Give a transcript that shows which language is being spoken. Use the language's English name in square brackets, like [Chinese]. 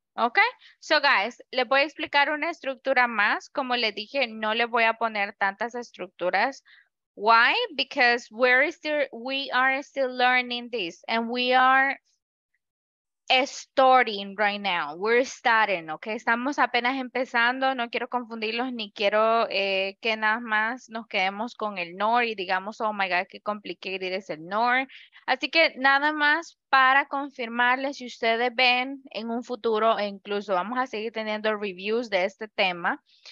[English] Okay, so guys, [Spanish] le voy a explicar una estructura más. Como le dije, no le voy a poner tantas estructuras. [English] Why? Because we are still learning this and we are starting right now. We're starting, okay? [Spanish] Estamos apenas empezando, no quiero confundirlos ni quiero que nada más nos quedemos con el nor y digamos, [English] oh my God, [Spanish] qué complicated es el nor. Así que nada más para confirmarles si ustedes ven en un futuro, e incluso vamos a seguir teniendo reviews de este tema.